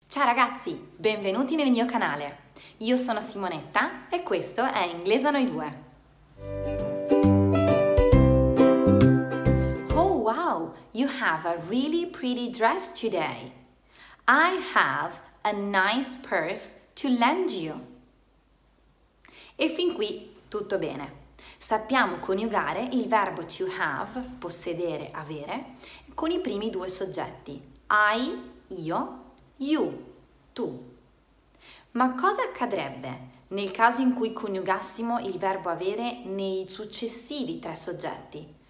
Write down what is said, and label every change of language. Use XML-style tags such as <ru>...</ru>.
<it>Ciao ragazzi, benvenuti nel mio canale. Io sono Simonetta e questo è Inglese a noi due.</it> <en>Oh wow, you have a really pretty dress today. I have a nice purse to lend you.</en> <it>E fin qui tutto bene. Sappiamo coniugare il verbo to have, possedere, avere, con i primi due soggetti. I, io, you, tu. Ma cosa accadrebbe nel caso in cui coniugassimo il verbo avere nei successivi tre soggetti?</it>